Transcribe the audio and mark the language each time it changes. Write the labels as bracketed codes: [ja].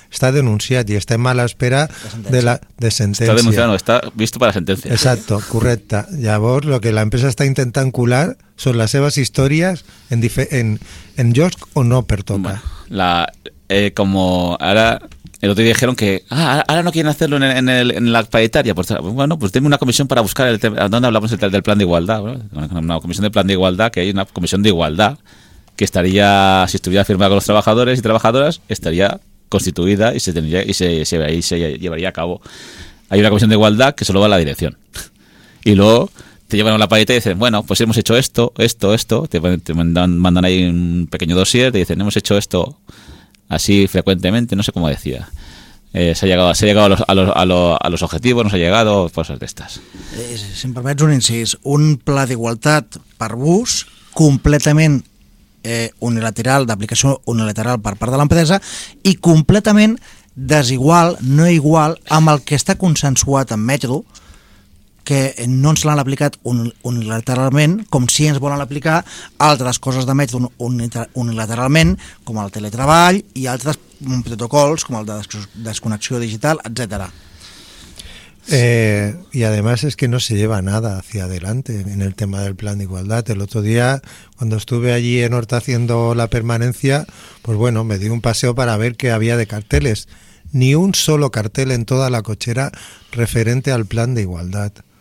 [ca] Està denunciat i estem a l'espera de sentència. Està denunciat, no, està vist per la sentència. Exacte, correcte. Llavors, el que l'empresa està intentant colar són les seves històries en llocs o no per tota. Com ara... [es] El otro día dijeron que ahora no quieren hacerlo en la paritaria. Pues, bueno, pues denme una comisión para buscar el tema. ¿Dónde hablamos del plan de igualdad? Bueno, una comisión de plan de igualdad, que hay una comisión de igualdad que estaría, si estuviera firmada con los trabajadores y trabajadoras, estaría constituida y se llevaría a cabo. Hay una comisión de igualdad que solo va a la dirección. Y luego te llevan a la paritaria y dicen, bueno, pues hemos hecho esto. Te mandan ahí un pequeño dossier y dicen, hemos hecho esto. Así frecuentemente, no sé cómo decía. Se ha llegado a los objetivos, no se ha llegado, cosas de estas. [ca] Si em permets un incís, un pla d'igualtat per bus completament unilateral, d'aplicació unilateral per part de l'empresa i completament desigual, no igual, amb el que està consensuat en Metro, que no ens l'han aplicat unilateralment, com si ens volen aplicar altres coses de Metro unilateralment, com el teletreball i altres protocols, com el de desconnexió digital, etc. [es] Y además es que no se lleva nada hacia adelante en el tema del plan de igualdad. El otro día, cuando estuve allí en Horta haciendo la permanencia, pues bueno, me di un paseo para ver qué había de carteles. Ni un solo cartel en toda la cochera referente al plan de igualdad.